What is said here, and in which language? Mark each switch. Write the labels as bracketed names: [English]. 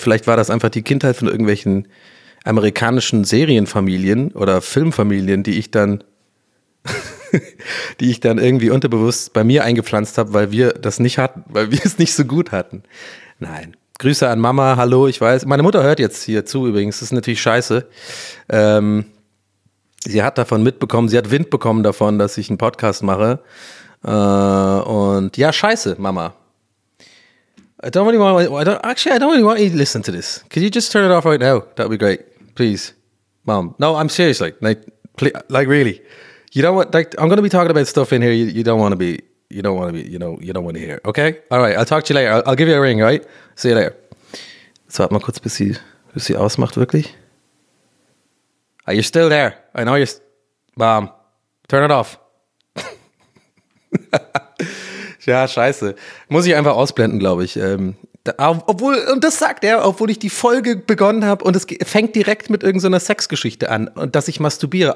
[German] Vielleicht war das einfach die Kindheit von irgendwelchen amerikanischen Serienfamilien oder Filmfamilien, die ich dann irgendwie unterbewusst bei mir eingepflanzt habe, weil wir es nicht so gut hatten. Nein, Grüße an Mama, hallo, ich weiß. Meine Mutter hört jetzt hier zu übrigens, das ist natürlich scheiße. Sie hat davon mitbekommen, sie hat Wind bekommen davon, dass ich einen Podcast mache. Und ja, scheiße, Mama. [English] I don't really want to listen to this. Could you just turn it off right now? That would be great. Please. Mom. No, I'm serious. Like really. You don't want, I'm going to be talking about stuff in here you don't want to hear. Okay? All right, I'll talk to you later. I'll give you a ring, right? See you later. [German] So, warte mal kurz, bis sie ausmacht, wirklich. [English] Are you still there? I know you're... Mom, turn it off. [German] Ja, scheiße. Muss ich einfach ausblenden, glaube ich. Obwohl, und das sagt er, obwohl ich die Folge begonnen habe und es fängt direkt mit irgendeiner Sexgeschichte an und dass ich masturbiere.